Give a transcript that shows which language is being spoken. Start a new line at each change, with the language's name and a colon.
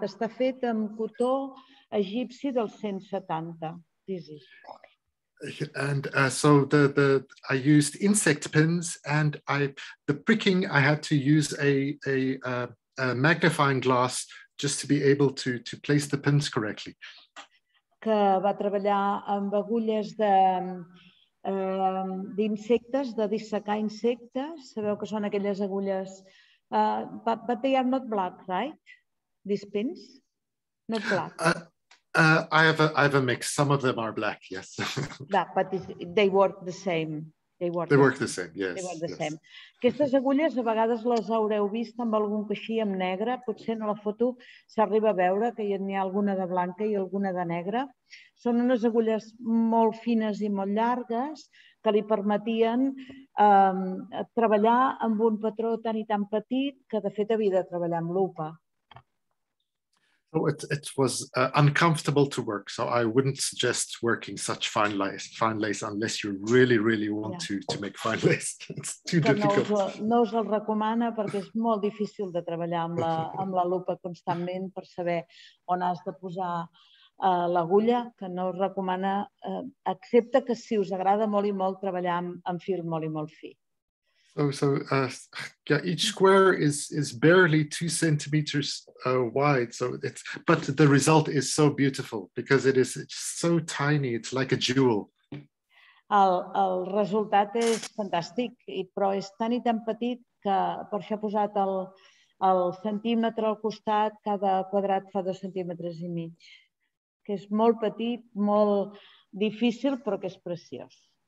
Catalan: Està fet amb cotó egipci del 170.
English: And so I used insect pins, and the pricking, I had to use a magnifying glass just to be able to place the pins correctly.
Catalan: Que va treballar amb agulles d'insectes, de dissecar insectes. Sabeu que són aquelles agulles...
English: But they are not black, right? These pins? Not black. I have a mix. Some of them are black, yes. Yeah, but they work the same. They work the same, yes.
Catalan: Aquestes agulles a vegades les haureu vist amb algun coixí amb negre. Potser en la foto s'arriba a veure que hi ha alguna de blanca i alguna de negra. Són unes agulles molt fines i molt llargues que li permetien treballar amb un patró tan i tan petit que de fet havia de treballar amb lupa.
English: Oh, it was uncomfortable to work, so I wouldn't suggest working such fine lace unless you really, really want to make fine lace. It's too difficult.
Catalan: No us el recomana perquè és molt difícil de treballar amb la lupa constantment per saber on has de posar l'agulla, que no us recomana, excepte que si us agrada molt i molt treballar amb fil molt i molt fi.
English: So, each square is barely 2 centimeters wide. So it's, but the result is so beautiful because it is so tiny. It's like a jewel.
Catalan: El resultat és fantàstic, però és tan i tan petit que per això he posat el centímetre al costat, cada quadrat fa 2 centímetres i mig, que és molt petit, molt difícil, però que és preciós.